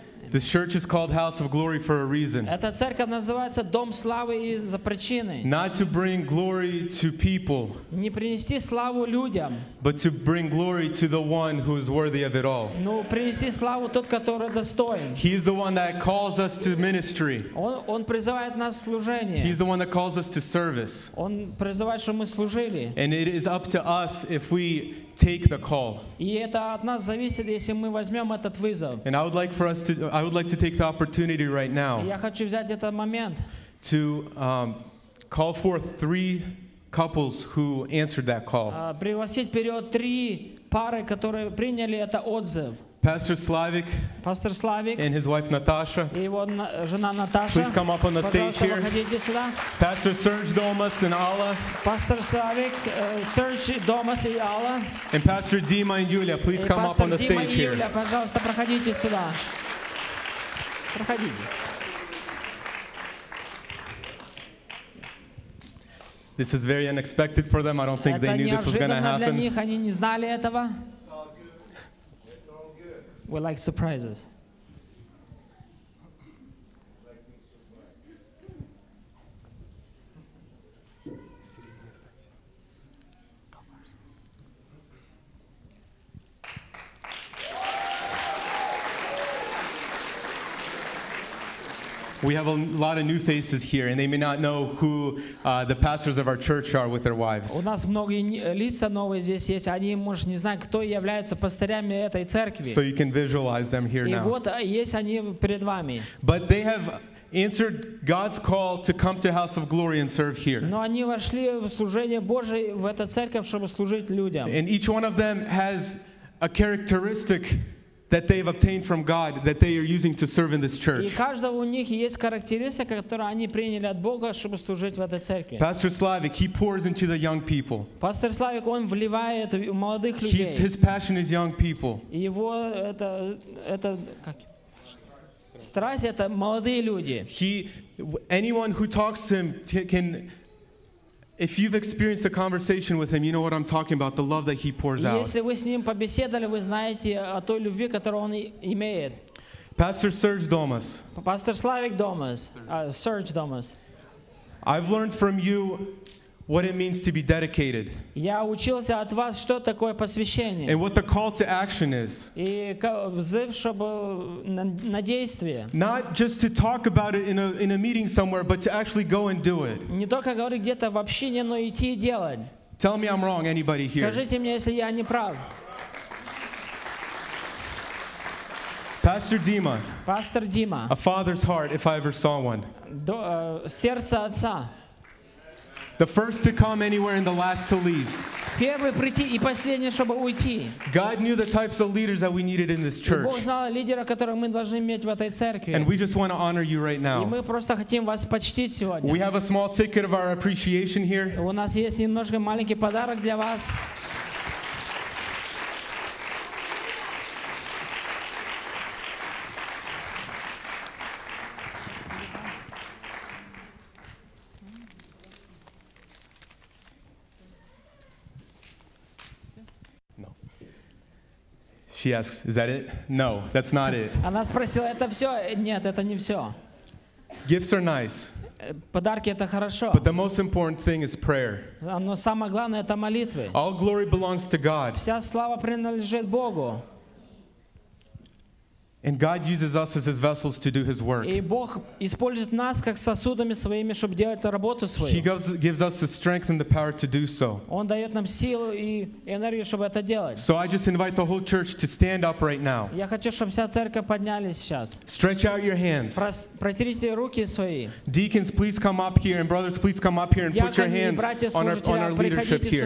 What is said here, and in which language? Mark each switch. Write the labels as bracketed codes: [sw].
[en] This church is called House of Glory for a reason. [ru] Эта церковь называется Дом славы из-за причины. [en] Not to bring glory to people. [ru] Не принести славу людям. [en] But to bring glory to the one who is worthy of it all. [ru] Ну, принести славу тот, который достоин. [en] He is the one that calls us to ministry. [ru] Он призывает нас в служение. [en] He is the one that calls us to service. [ru] Он призывает, чтобы мы служили. [en] And it is up to us if we take the call. [ru] И это от нас зависит, если мы возьмем этот вызов. [en] And I would like to take the opportunity right now. [ru] Я хочу взять этот момент. [en] To call forth three couples who answered that call. [ru] Пригласить вперед три пары, которые приняли этот отзыв. [en] Pastor Slavik and his wife Natasha. [ru] И его жена Наташа. [en] Please come up on the stage here. [ru] Выходите сюда. [en] Pastor Serge Domas and Alla. Pastor Slavik, Serge Domas и Alla. And Pastor Dima and Yulia, please come up on the stage here. [ru] Юля, пожалуйста, проходите сюда. Проходите. [en] This is very unexpected for them. I don't think [ru] Это [en] they knew this was going to happen. [ru] Это неожиданно для них. Они не знали этого. [en] We like surprises. We have a lot of new faces here, and they may not know who the pastors of our church are with their wives. [ru] У нас многие лица новые здесь есть. Они, может, не знают, кто является пастырями этой церкви. [en] So you can visualize them here now. [ru] И вот есть они перед вами. [en] But they have answered God's call to come to House of Glory and serve here. [ru] Но они вошли в служение Божие в эту церковь, чтобы служить людям. [en] And each one of them has a characteristic that they've obtained from God that they are using to serve in this church. [ru] И каждого у них есть характеристика, которую они приняли от Бога, чтобы служить в этой церкви. [en] Pastor Slavik, he pours into the young people. [ru] Пастор Славик, он вливает в молодых людей. [en] His passion is young people. [ru] Его это как страсть это молодые люди. [en] Anyone who talks to him can. If you've experienced a conversation with him, you know what I'm talking about, the love that he pours out. [ru] Если вы с ним побеседовали, вы знаете о той любви, которую он имеет. [en] Pastor Serge Domas. Pastor Slavik Domas. Serge Domas. I've learned from you what it means to be dedicated. [ru] Я учился от вас, что такое посвящение. [en] And what the call to action is. [ru] И взыв, чтобы на действие. [en] Not just to talk about it in a meeting somewhere, but to actually go and do it. [ru] Не только говорить где-то в общине, но идти и делать. [en] Tell me I'm wrong, anybody here. [ru] Скажите мне, если я не прав. [en] Pastor Dima. Pastor Dima. A father's heart, if I ever saw one. [ru] Сердце отца. [en] The first to come anywhere and the last to leave. [ru] Первый прийти и последний, чтобы уйти. [en] God knew the types of leaders that we needed in this church. [ru] Бог знал лидера, которого мы должны иметь в этой церкви. [en] And we just want to honor you right now. [ru] И мы просто хотим вас почтить сегодня. [en] We have a small ticket of our appreciation here. [ru] У нас есть немножко маленький подарок для вас. [en] She asks, "Is that it?" No, that's not it. [ru] Она спросила, это все? Нет, это не все. [en] Gifts are nice. [ru] Подарки — это хорошо. [en] But the most important thing is prayer. [ru] Но самое главное — это молитвы. [en] All glory belongs to God. [ru] Вся слава принадлежит Богу. [en] And God uses us as His vessels to do His work. [ru] И Бог использует нас как сосудами своими, чтобы делать работу свою. [en] He gives us the strength and the power to do so. [ru] Он дает нам силу и энергию, чтобы это делать. [en] So I just invite the whole church to stand up right now. [ru] Я хочу, чтобы вся церковь поднялись сейчас. [en] Stretch out your hands. [ru] Протрите руки свои. [en] Deacons, please come up here, and brothers, please come up here and put your hands on our leadership here.